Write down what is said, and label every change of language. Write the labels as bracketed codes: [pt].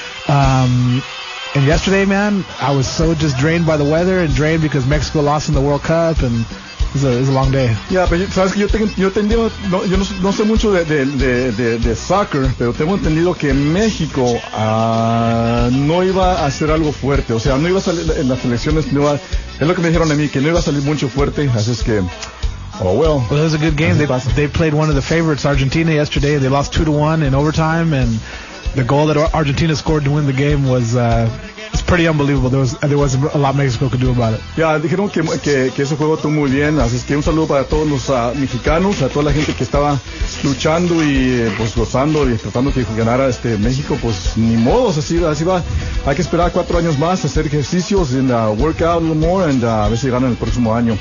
[en] And yesterday, man, I was so just drained by the weather and drained because Mexico lost in the World Cup, and it was a long day. [es] Yeah, pero sabes que yo no sé mucho de soccer, pero tengo entendido que México no iba a hacer algo fuerte, o sea, no iba a salir en las elecciones, es lo que me dijeron a mí, que no iba a salir mucho fuerte, así es que... [en] Oh, well. Well, it was a good game. They played one of the favorites, Argentina, yesterday. They lost 2-1 in overtime, and the goal that Argentina scored to win the game was it's pretty unbelievable. There wasn't a lot Mexico could do about it. [es] Yeah, dijeron que ese juego estuvo muy bien. Así es que un saludo para todos los mexicanos, a toda la gente que estaba luchando y pues gozando y tratando que ganara este México. Pues ni modo, así va. Hay que esperar 4 años más, hacer ejercicios [en] and work out a little more, and [es] a ver si ganan el próximo año.